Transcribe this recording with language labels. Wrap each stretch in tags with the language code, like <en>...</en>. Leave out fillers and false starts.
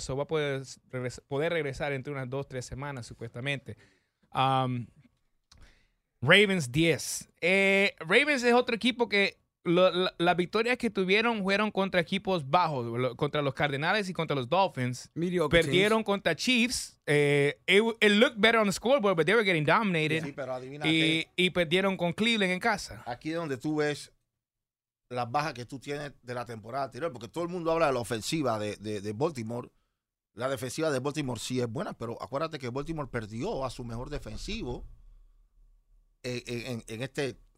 <en>So</en> <es>va a poder regresar entre unas 2-3 semanas, supuestamente. Ravens 10. Ravens es otro equipo que... Las victorias que tuvieron fueron contra equipos bajos, contra los Cardinals y contra los Dolphins. Mediocre perdieron teams. Contra Chiefs.</es> <en>It looked better on the scoreboard, but they were getting dominated.</en> <es>Sí, pero adivina y perdieron con Cleveland en casa. Aquí es donde tú ves las bajas que tú tienes de la temporada anterior, porque todo el mundo habla de la ofensiva de Baltimore. La defensiva de Baltimore sí es buena, pero acuérdate que Baltimore perdió a su mejor defensivo en este...</es>